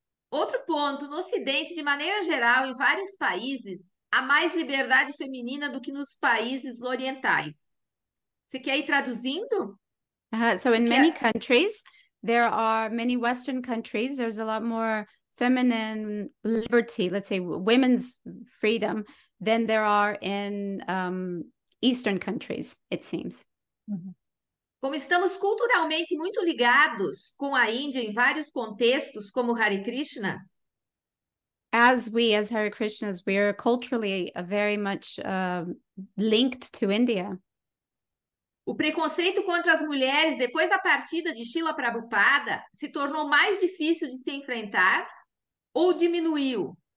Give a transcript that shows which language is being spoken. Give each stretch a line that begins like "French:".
Portuguese: Outro ponto, no Ocidente, de maneira geral, em vários países, há mais liberdade feminina do que nos países orientais. Você quer ir traduzindo?
English: Many countries, there are many Western countries, there's a lot more feminine liberty, let's say women's freedom, than there are in Eastern countries, it seems.
Portuguese: Como estamos culturalmente muito ligados com a Índia em vários contextos, como Hare Krishnas?
English: As Hare Krishnas, we are culturally very much linked to India.
Portuguese: O preconceito contra as mulheres depois da partida de Srila Prabhupada se tornou mais difícil de se enfrentar ou diminuiu?